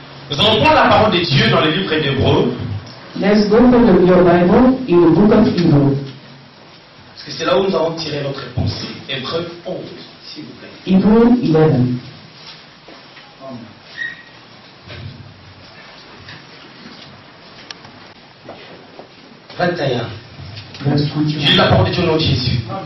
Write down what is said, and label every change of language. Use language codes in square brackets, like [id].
[fr] Nous allons prendre la parole de Dieu dans le livre d'Hébreu. [en] Let's go to your Bible in the book of Hebrews. [fr] Parce que c'est là où nous allons tirer notre réponse. Hébreux 11, s'il vous plaît. Hébreux 11. J'ai la parole de Dieu au nom de Jésus.